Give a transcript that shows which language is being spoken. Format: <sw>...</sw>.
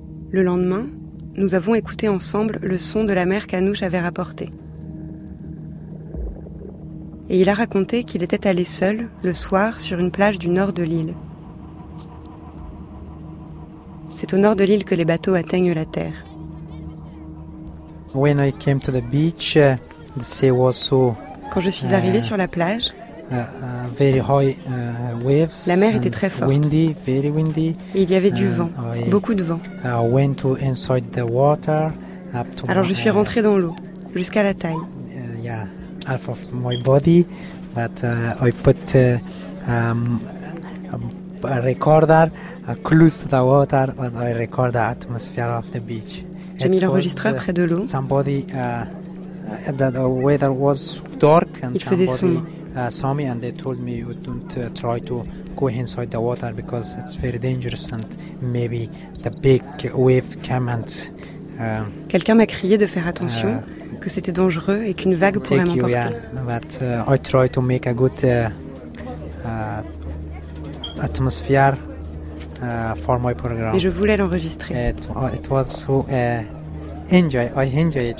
<fr>Le lendemain, nous avons écouté ensemble le son de la mer qu'Anouche avait rapporté. Et il a raconté qu'il était allé seul, le soir, sur une plage du nord de l'île. C'est au nord de l'île que les bateaux atteignent la terre.</fr> <en>When I came to the beach, the sea was so,</en> <fr>quand je suis arrivé sur la plage,</fr> <en>very high, waves,</en> <fr>la mer était très forte.</fr> <en>Windy, very windy.</en> <fr>Et il y avait du vent, beaucoup de vent.</fr> <en>Went to inside the water, up to</en> <fr>alors je suis rentré dans l'eau, jusqu'à la taille.</fr> <en>Half of my body, but I put a recorder close to the water, but I record the atmosphere of the beach.</en> <fr>J'ai mis l'enregistreur près de l'eau.</fr> <en>Somebody, that the weather was dark and</en> <fr>il faisait sombre.</fr> <en>Saw me and they told me you don't try to go inside the water because it's very dangerous and maybe the big wave come and.</en> <fr>Quelqu'un m'a crié de faire attention, que c'était dangereux et qu'une vague pourrait m'emporter.</fr> <en>Thank you. Yeah, but I try to make a good atmosphere for my program.</en> <fr>Et je voulais l'enregistrer.</fr> <en>It was so enjoy. I enjoyed it.</en>